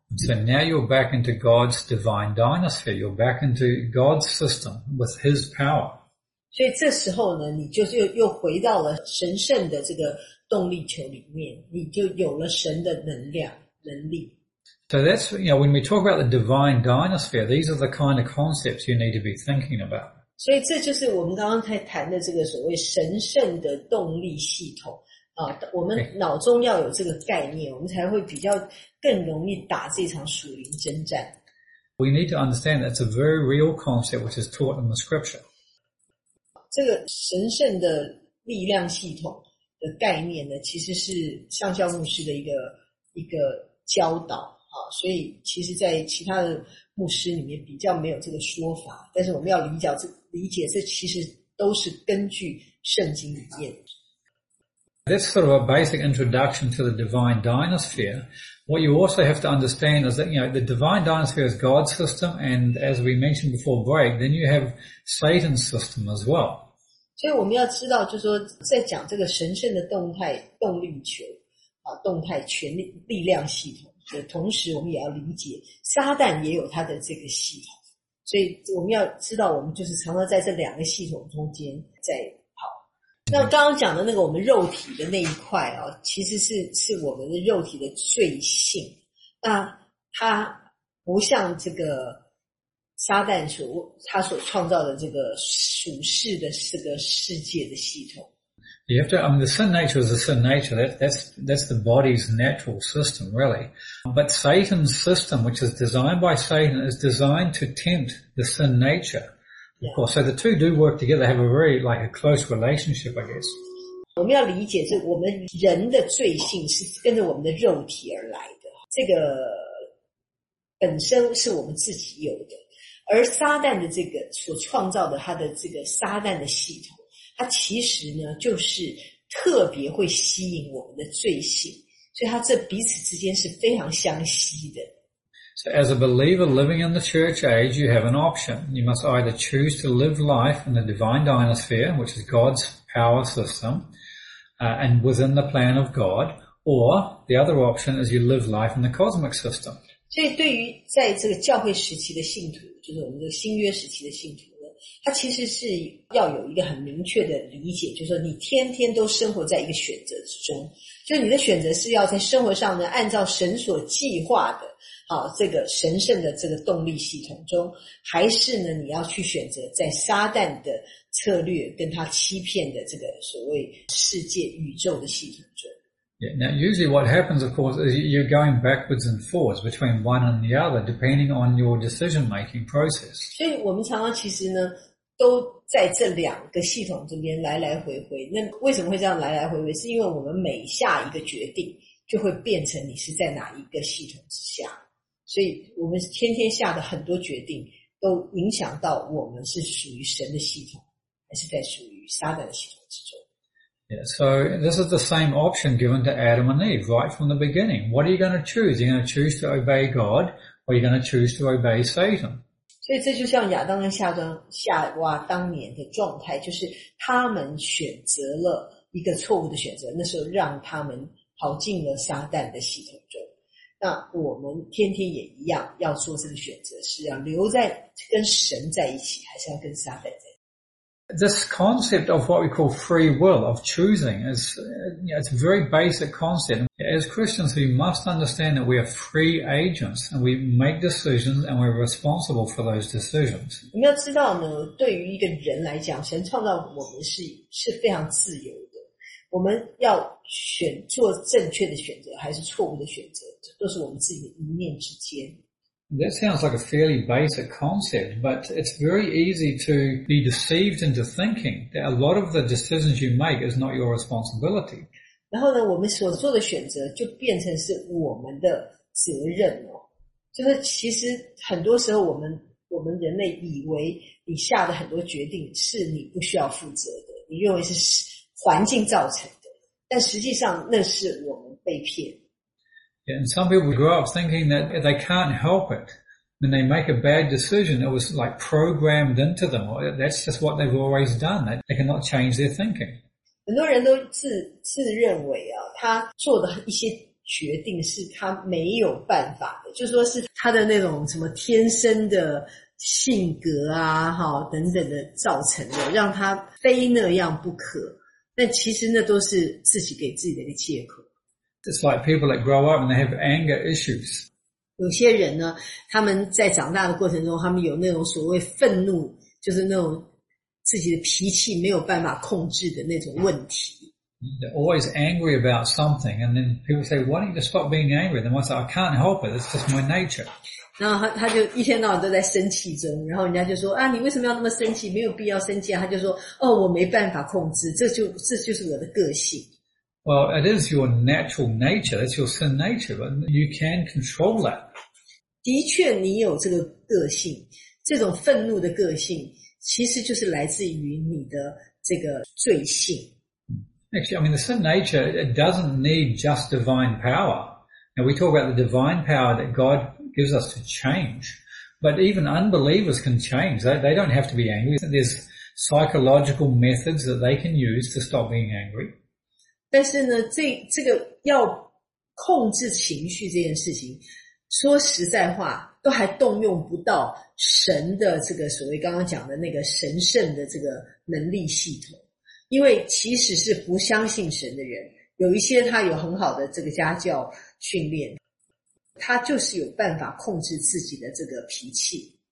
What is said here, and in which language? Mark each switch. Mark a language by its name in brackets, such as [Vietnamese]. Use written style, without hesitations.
[English] So now you're back into God's divine dynasty. You're back into God's system with His power. [Chinese] 所以这时候呢，你就是又回到了神圣的这个动力球里面，你就有了神的能量能力。 [English] So that's, you know, when we talk about the divine dynasty, these are the kind of concepts you need to be thinking about. [Chinese] 所以这就是我们刚刚才谈的这个所谓神圣的动力系统。我们脑中要有这个概念，我们才会比较更容易打这场属灵征战。 [English] We need to understand that's a very real concept which is taught in the scripture. [Chinese] 这个神圣的力量系统的概念呢，其实是上校牧师的一个教导啊，所以其实在其他的牧师里面比较没有这个说法，但是我们要理解这其实都是根据圣经里面。 [English] That's sort of a basic introduction to the divine dynasphere. What you also have to understand is that, you know, the divine dynasphere is God's system, and as we mentioned before break, then you have Satan's system as well. [Chinese] 所以我们要知道，就是说在讲这个神圣的动态权力量系统的同时，我们也要理解撒旦也有他的这个系统。所以我们要知道，我们就是常常在这两个系统中间在。那刚刚讲的那个我们肉体的那一块啊，其实是我们的肉体的罪性。那它不像这个撒旦他所创造的这个属世的这个世界的系统。 [English] You have to, I mean, the sin nature is the sin nature. That's the body's natural system, really. But Satan's system, which is designed by Satan, is designed to tempt the sin nature. Of course, so the two do work together, have a very, like, a close relationship, I guess. [Chinese] 我们要理解是我们人的罪性是跟着我们的肉体而来的。这个本身是我们自己有的。而撒旦的这个所创造的他的这个撒旦的系统，他其实呢就是特别会吸引我们的罪性。所以他这彼此之间是非常相吸的。 [English] So as a believer living in the church age, you have an option. You must either choose to live life in the divine dynasphere, which is God's power system, and within the plan of God, or the other option is you live life in the cosmic system. [Chinese] 所以对于在这个教会时期的信徒，就是我们的新约时期的信徒呢，他其实是要有一个很明确的理解，就是说你天天都生活在一个选择之中，就你的选择是要在生活上呢，按照神所计划的好，这个神圣的这个动力系统中，还是呢，你要去选择在撒旦的策略跟他欺骗的这个所谓世界宇宙的系统中。 [English] Yeah, now usually what happens, of course, is you're going backwards and forwards between one and the other, depending on your decision-making process. [Chinese] 所以我们常常其实呢，都在这两个系统这边来来回回。那为什么会这样来来回回？是因为我们每下一个决定就会变成你是在哪一个系统之下，所以我们天天下的很多决定都影响到我们是属于神的系统还是在属于撒旦的系统之中。 [English] Yeah, so this is the same option given to Adam and Eve right from the beginning. What are you going to choose? You're going to choose to obey God or you're going to choose to obey Satan? [Chinese] 所以这就像亚当跟夏娃当年的状态，就是他们选择了一个错误的选择，那时候让他们跑进了撒旦的系统中。那我们天天也一样要做这个选择，是要留在跟神在一起还是要跟撒旦在一起。 [English] This concept of what we call free will of choosing is, you know, it's a very basic concept. As Christians, we must understand that we are free agents and we make decisions and we're responsible for those decisions. [Chinese] 我们要知道呢，对于一个人来讲，神创造我们 是非常自由的。我们要选做正确的选择还是错误的选择，这都是我们自己的一念之间。 [English] That sounds like a fairly basic concept, but it's very easy to be deceived into thinking that a lot of the decisions you make is not your responsibility. [Chinese] 然后呢，我们所做的选择就变成是我们的责任哦。就是其实很多时候我们人类以为你下的很多决定是你不需要负责的，你认为是环境造成的，但实际上那是我们被骗。 [English] Yeah, and some people grow up thinking that they can't help it. When they make a bad decision, it was like programmed into them. That's just what they've always done. They cannot change their thinking. [Chinese] 很多人都自认为啊，他做的一些决定是他没有办法的，就说是他的那种什么天生的性格啊，哈等等的造成的，让他非那样不可。但其实那都是自己给自己的一个借口。 [English] It's like people that grow up and they have anger issues. [Chinese] 有些人呢，他们在长大的过程中，他们有那种所谓愤怒，就是那种自己的脾气没有办法控制的那种问题。 [English] They're always angry about something, and then people say, "Why don't you just stop being angry?" Then I say, "I can't help it. It's just my nature." [Chinese] 然后他就一天到晚都在生气中，然后人家就说啊，你为什么要那么生气？没有必要生气啊。他就说哦，我没办法控制，这就是我的个性。 [English] Well, it is your natural nature. That's your sin nature, but you can control that. [Chinese] 的确，你有这个个性，这种愤怒的个性，其实就是来自于你的这个罪性。 [English] Actually, I mean, the sin nature, it doesn't need just divine power. Now, we talk about the divine power that God gives us to change. But even unbelievers can change. They don't have to be angry. There's psychological methods that they can use to stop being angry. [Chinese] 但是呢，这个要控制情绪这件事情，说实在话，都还动用不到神的这个所谓刚刚讲的那个神圣的这个能力系统。因为即使是不相信神的人，有一些他有很好的这个家教训练，他就是有办法控制自己的这个脾气。